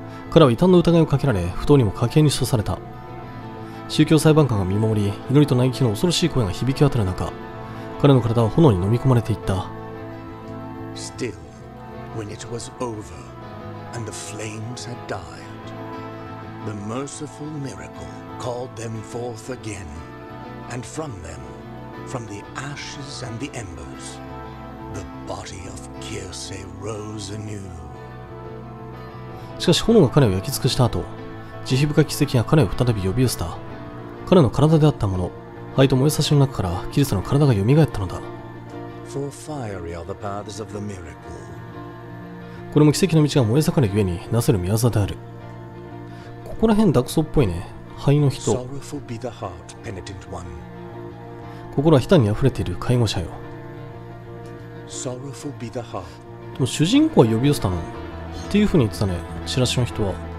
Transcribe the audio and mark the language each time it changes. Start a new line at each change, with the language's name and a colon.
Japanese: 彼は異端の疑いをかけられ、不当にも家計に処された。宗教裁判官が見守り、祈りと嘆きの恐ろしい声が響き渡る中、彼の体は炎に飲み込まれていった。
English: Still, when it was over and the flames had died, the merciful miracle called them forth again, and from them, from the ashes and the embers,The body of Kirse rose anew.
Japanese: しかし炎が彼を焼き尽くした後、慈悲深き奇跡が彼を再び呼び寄せた。彼の体であったもの、灰と燃えさしの中からキルセの体が蘇ったのだ。
English: For fiery are the paths of the miracle.
Japanese: これも奇跡の道が燃え盛るゆえになせる御業である。ここら辺ダクソっぽいね、灰の人。
English: Sorrowful be the heart, penitent one.
Japanese: 心は悲嘆に溢れている介護者よ。でも主人公は呼び寄せたのっていう風に言ってたね、チラシの人は。